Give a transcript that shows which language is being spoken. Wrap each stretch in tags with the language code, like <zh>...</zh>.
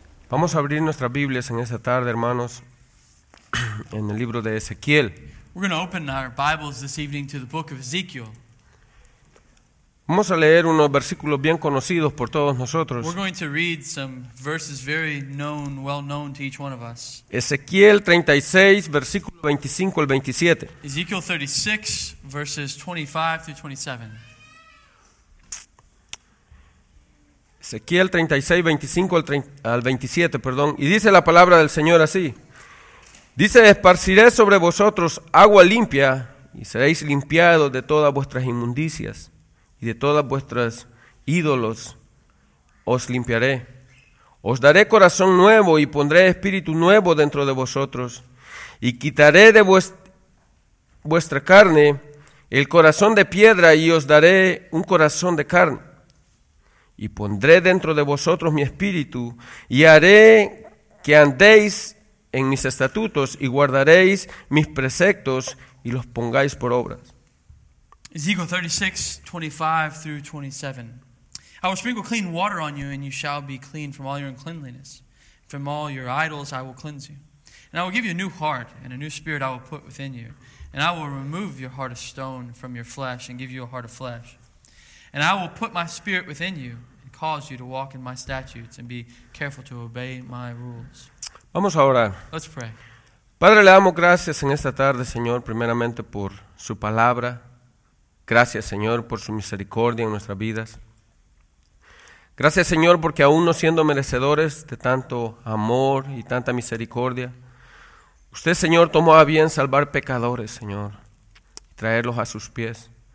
<es>Vamos a abrir nuestras Biblias en esta tarde, hermanos, en el libro de Ezequiel.</es> <en>We're going to open our Bibles this evening to the book of Ezekiel.</en> <es>Vamos a leer unos versículos bien conocidos por todos nosotros.</es> <en>We're going to read some verses very known, well known to each one of us.</en> <es>Ezequiel 36, versículo 25 al 27.</es> <en>Ezekiel 36, verses 25 through 27.</en> <es>Ezequiel 36, 25 al 27, perdón. Y dice la palabra del Señor así. Dice, esparciré sobre vosotros agua limpia y seréis limpiados de todas vuestras inmundicias y de todas vuestras ídolos os limpiaré. Os daré corazón nuevo y pondré espíritu nuevo dentro de vosotros y quitaré de vuestra carne el corazón de piedra y os daré un corazón de carne. Y pondré dentro de vosotros mi espíritu, y haré que andéis en mis estatutos, y guardaréis mis preceptos, y los pongáis por obras.</es> <en>Ezekiel 36, 25 through 27. I will sprinkle clean water on you, and you shall be clean from all your uncleanliness. From all your idols I will cleanse you. And I will give you a new heart, and a new spirit I will put within you. And I will remove your heart of stone from your flesh, and give you a heart of flesh. And I will put my spirit within you and cause you to walk in my statutes and be careful to obey my rules.</en> <es>Vamos a orar.</es> <en>Let's pray.</en> <es>Padre, le damos gracias en esta tarde, Señor, primeramente por su palabra. Gracias, Señor, por su misericordia en nuestras vidas. Gracias, Señor, porque aún no siendo merecedores de tanto amor y tanta misericordia, usted, Señor, tomó a bien salvar pecadores, Señor, y traerlos a sus pies.</es>